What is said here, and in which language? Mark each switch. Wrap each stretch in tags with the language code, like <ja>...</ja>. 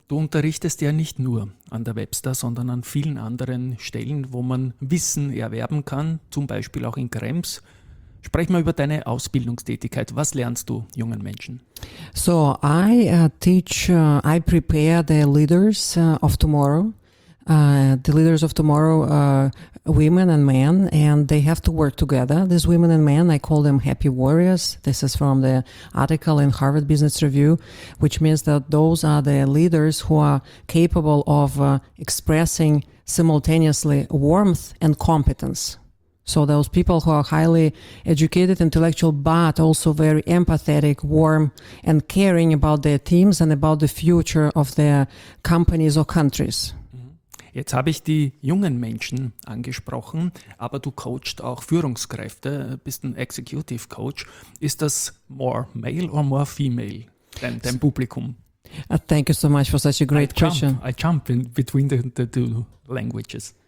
<de>Du unterrichtest ja nicht nur an der Webster, sondern an vielen anderen Stellen, wo man Wissen erwerben kann, zum Beispiel auch in Krems. Sprech mal über deine Ausbildungstätigkeit. Was lernst du jungen Menschen?</de> <en>So, I prepare the leaders of tomorrow. The leaders of tomorrow are women and men, and they have to work together. These women and men, I call them happy warriors. This is from the article in Harvard Business Review, which means that those are the leaders who are capable of expressing simultaneously warmth and competence. So those people who are highly educated, intellectual, but also very empathetic, warm, and caring about their teams and about the future of their companies or countries.</en> <de>Jetzt habe ich die jungen Menschen angesprochen, aber du coachst auch Führungskräfte, bist ein Executive Coach. Ist das</de> <en>more male or more female,</en> <de>dein Publikum?</de> <en>Thank you so much for such a great question. I jump in between the two languages.</en>